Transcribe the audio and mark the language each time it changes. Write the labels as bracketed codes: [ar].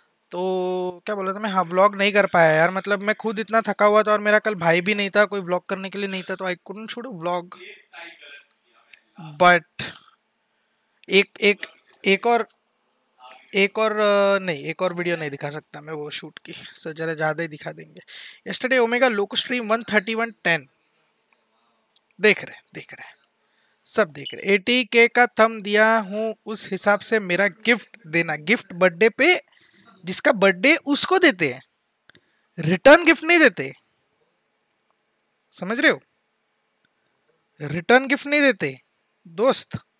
[hi] तो क्या बोला था मैं. हाँ व्लॉग नहीं कर पाया यार. मतलब मैं खुद इतना थका हुआ था और मेरा कल भाई भी नहीं था कोई व्लॉग करने के लिए नहीं था तो [en] I couldn't shoot a vlog. [hi] But एक और वीडियो नहीं दिखा सकता मैं वो शूट की. सर जरा ज़्यादा ही दिखा देंगे. यस्टरडे ओमेगा लोको स्ट्रीम 131:10 देख रहे सब देख रहे. 80K का थम दिया हूँ उस हिसाब से मेरा गिफ्ट देना. गिफ्ट बर्थडे पे जिसका बर्थडे उसको देते हैं. रिटर्न गिफ्ट नहीं देते, समझ रहे हो, रिटर्न गिफ्ट नहीं देते दोस्त।